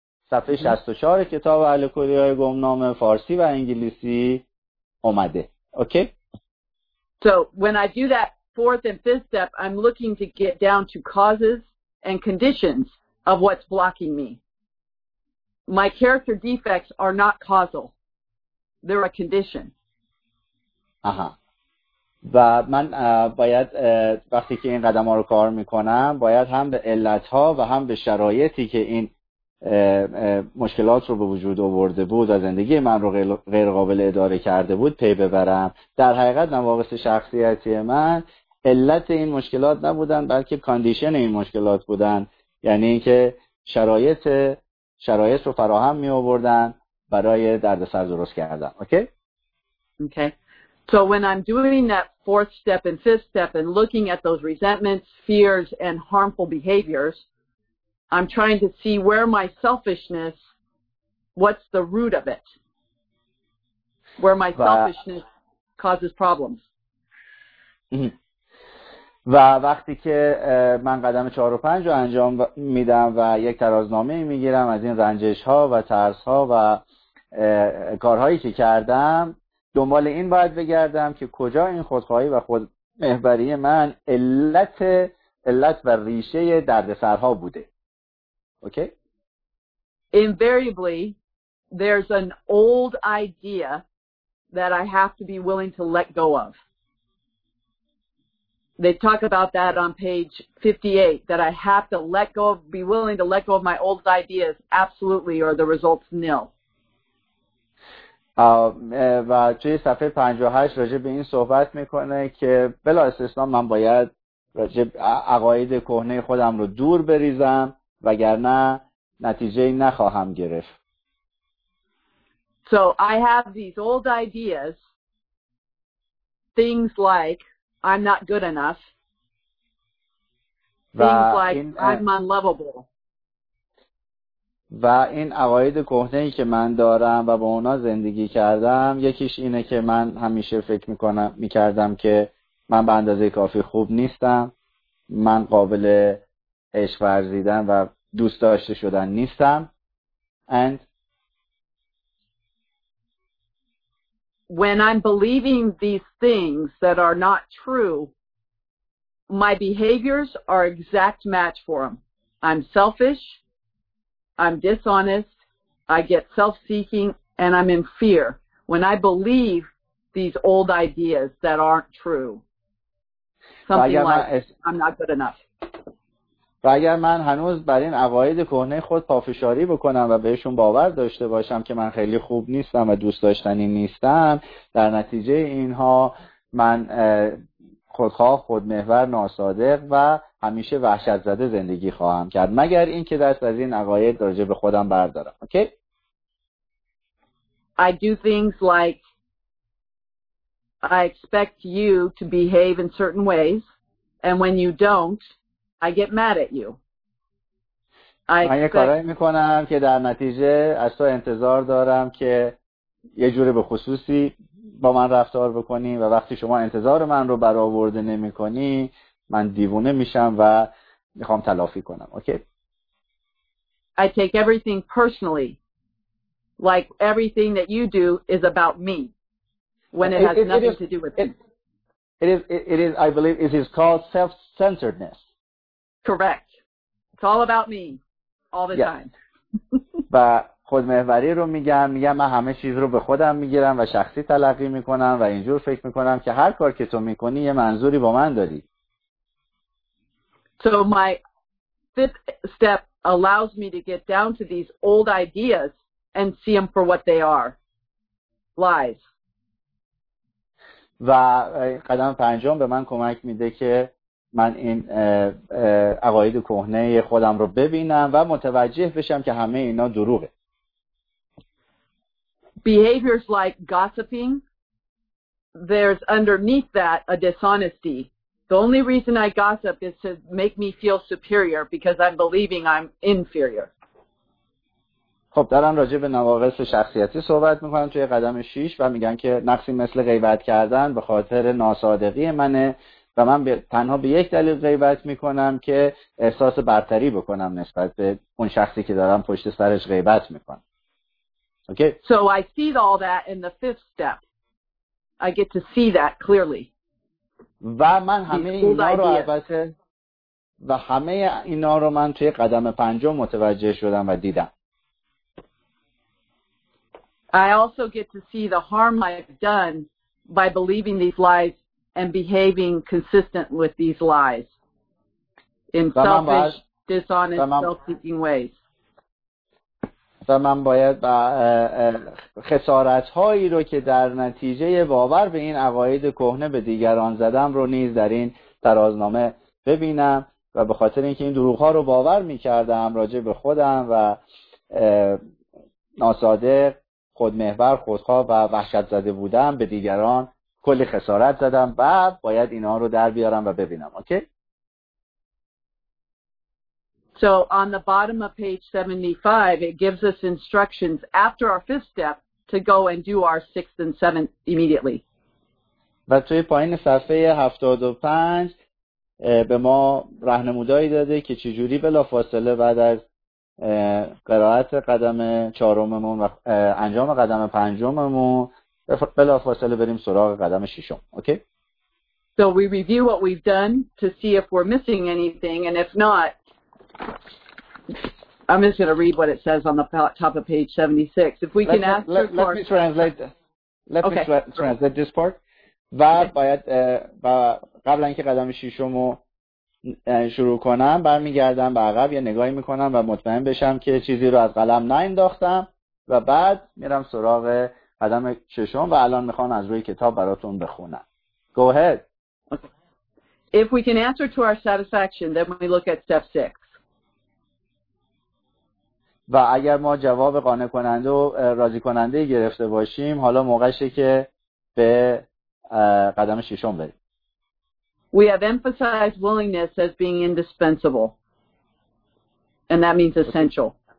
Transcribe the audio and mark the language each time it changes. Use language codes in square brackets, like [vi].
[fa] صفحه 64 کتاب الکلیای گمنام فارسی و انگلیسی اومده. [en] Okay? So when I do that fourth and fifth step, I'm looking to get down to causes and conditions of what's blocking me. My character defects are not causal. They're a condition. آها. [fa] و من باید وقتی که این قدم ها رو کار میکنم باید هم به علت ها و هم به شرایطی که این مشکلات رو به وجود آورده بود و زندگی من رو غیر قابل اداره کرده بود پی ببرم. در حقیقت نواقص شخصیتی من علت این مشکلات نبودن بلکه کاندیشن این مشکلات بودن، یعنی اینکه شرایط رو فراهم می آوردن برای دردسر درست کردن. [en] Okay? So when I'm doing that fourth step and fifth step and looking at those resentments, fears, and harmful behaviors, I'm trying to see where my selfishness, what's the root of it? Where my selfishness causes problems. [fa] و وقتی که من قدم 4 و 5 رو انجام میدم و یک ترازنامه میگیرم از این رنجش ها و ترس ها و کارهایی که کردم، دنبال این باید بگردم که کجا این خودخواهی و خودمحوری من علت و ریشه دردسرها بوده. اوکی؟ [en] Invariably there's an old idea that I have to be willing to let go of. They talk about that on page 58, that I have to let go of, be willing to let go of my old ideas absolutely or the results nil. [fa] و توی صفحه 58 راجع به این صحبت میکنه که بلا استثنا من باید راجع به عقاید کهنه خودم رو دور بریزم وگرنه نتیجه نخواهم گرفت. [en] So I have these old ideas, things like I'm not good enough, things like I'm unlovable. [fa] و این عقاید کهنه‌ای که من دارم و با اونا زندگی کردم، یکیش اینه که من همیشه فکر می‌کردم که من به اندازه کافی خوب نیستم، من قابل عشق ورزیدن و دوست داشته شدن نیستم. [en] And when I'm believing these things that are not true, my behaviors are exact match for them. I'm selfish, I'm dishonest, I get self-seeking, and I'm in fear when I believe these old ideas that aren't true. Something like, I'm not good enough. [fa] و اگر من هنوز بر این عقاید کهنه خود پافشاری بکنم و بهشون باور داشته باشم که من خیلی خوب نیستم و دوست داشتنی نیستم، در نتیجه اینها من خودخواه، خودمحور، ناصادق و همیشه وحشت زده زندگی خواهم کرد، مگر اینکه دست از این عقاید راجع به خودم بردارم. [en] Okay? I do things like I expect you to behave in certain ways and when you don't, I get mad at you. [fa] من یه کارایی میکنم که در نتیجه از تو انتظار دارم که یه جوری به خصوصی با من رفتار بکنی و وقتی شما انتظار من رو برآورده نمی کنی من دیوونه میشم و میخوام تلافی کنم. [en] Okay? I take everything personally. Like everything that you do is about me. When it has nothing to do with me. It is called self-centeredness. Correct. It's all about me. [fa] و خودمحوری رو میگم من همه چیز رو به خودم میگیرم و شخصی تلقی میکنم و اینجور فکر میکنم که هر کار که تو میکنی یه منظوری با من داری. [en] So my fifth step allows me to get down to these old ideas and see them for what they are. Lies. [fa] و قدم پنجم به من کمک میده که من این عقاید کهنه خودم رو ببینم و متوجه بشم که همه اینا دروغه. [en] Behaviors like gossiping, there's underneath that a dishonesty. The only reason I gossip is to make me feel superior because I'm believing I'm inferior. [fa] خب دارم راجع به نواقص شخصیتی صحبت میکنم توی قدم 6 و میگن که نقصی مثل غیبت کردن به خاطر ناصادقی منه و من تنها به یک دلیل غیبت میکنم که احساس برتری بکنم نسبت به اون شخصی که دارم پشت سرش غیبت میکنم. [en] Okay. So I see all that in the fifth step. I get to see that clearly. [fa] و من همه اینا رو البته و همه اینا رو من توی قدم پنجم متوجه شدم و دیدم. [en] I also get to see the harm I've done by believing these lies and behaving consistent with these lies in selfish, dishonest, self-seeking ways. [fa] و من باید با خسارت‌هایی رو که در نتیجه باور به این عقاید کهنه به دیگران زدم رو نیز در این ترازنامه ببینم و به خاطر اینکه این دروغ‌ها رو باور می‌کردم راجع به خودم و ناصادق، خودمحور، خودخواه و وحشت زده بودم به دیگران کلی خسارت زدم و باید اینا رو در بیارم و ببینم. [en] Okay? So on the bottom of page 75, it gives us instructions after our fifth step to go and do our sixth and seventh immediately. [fa] و توی پایین صفحه 75 به ما راهنمودی داده که چجوری بلافاصله بعد از قرائت قدم چهارممون و انجام قدم پنجممون بلافاصله بریم سراغ قدم ششم. [en] Okay? So we review what we've done to see if we're missing anything, and if not, I'm just going to read what it says on the top of page 76. If we can ask let, let, for... Let me translate let okay. me translate this part. [fa] و باید و قبل اینکه قدم ششمو شروع کنم برمیگردم به عقب یه نگاهی میکنم و مطمئن بشم که چیزی رو از قلم نینداختم و بعد میرم سراغ قدم ششم و الان میخوام از روی کتاب براتون بخونم. [en] Go ahead. If we can answer to our satisfaction, then we look at step 6. [fa] و اگر ما جواب قانع کننده و راضی کننده گرفته باشیم حالا موقعشه که به قدم ششم بریم. [en] We have emphasized willingness as being indispensable. And that means essential.